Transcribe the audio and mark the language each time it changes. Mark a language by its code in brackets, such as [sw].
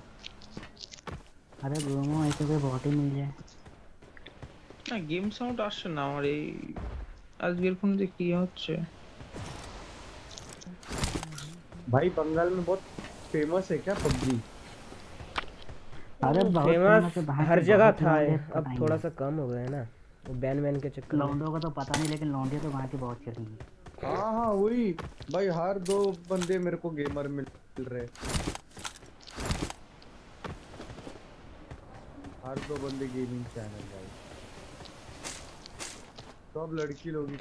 [hi] अब शूट कर रहा है अरे ब्रो ऐसे कोई बॉट ही मिल जाए ना गेम साउंड [bn] আসছে না আমার এই আজকের ফোন দিয়ে কি হচ্ছে ভাই বাংলা [hi] में बहुत फेमस है क्या पबजी अरे बहुत फेमस हर जगह था है अब थोड़ा सा कम हो गया है ना वो बैन वैन के चक्कर लौंडों का तो पता नहीं लेकिन लौंडे तो वहां के बहुत चल रही है हां हां वही भाई हर दो बंदे मेरे को गेमर मिल रहे हर दो बंदे गेमिंग चैनल भाई सब लड़की लोग